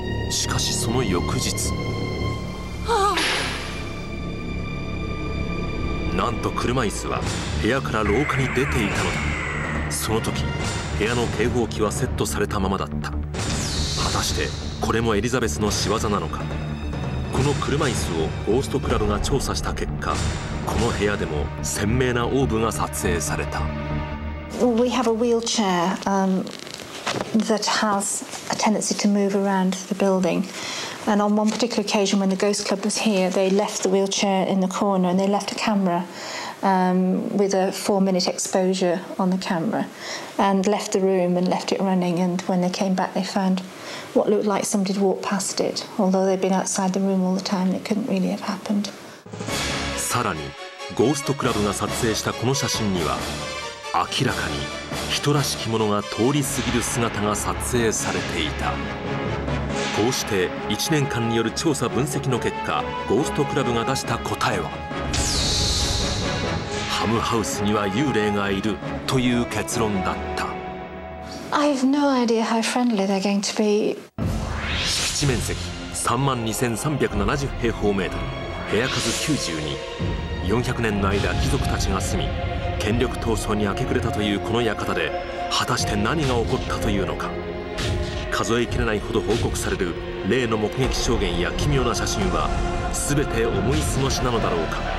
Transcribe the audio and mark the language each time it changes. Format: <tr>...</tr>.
<ja>しかしその翌日、なんと車椅子は部屋から廊下に出ていたのだ。その時部屋の警報器はセットされたままだった。果たしてこれもエリザベスの仕業なのか。この車椅子をゴーストクラブが調査した結果、この部屋でも鮮明なオーブが撮影された。</ja> <en>We have a wheelchair that has a tendency to move around the building. And on one particular occasion when the ghost club was here, they left the wheelchair in the corner and they left a camera with a 4-minute exposure on the camera and left the room and left it running. And when they came back, they found what looked like somebody had walked past it. Although they'd been outside the room all the time, it couldn't really have happened.</en> <ja>さらに、ゴーストクラブが撮影したこの写真には、明らかに人らしきものが通り過ぎる姿が撮影されていた。こうして1年間による調査分析の結果、ゴーストクラブが出した答えは、ハムハウスには幽霊がいるという結論だった。</ja> <en>I have no idea how friendly they're going to be.</en> <ja>敷地面積3万2370平方メートル、部屋数92、400年の間貴族たちが住み、権力闘争に明け暮れたというこの館で、果たして何が起こったというのか。数えきれないほど報告される例の目撃証言や奇妙な写真は全て思い過ごしなのだろうか。</ja>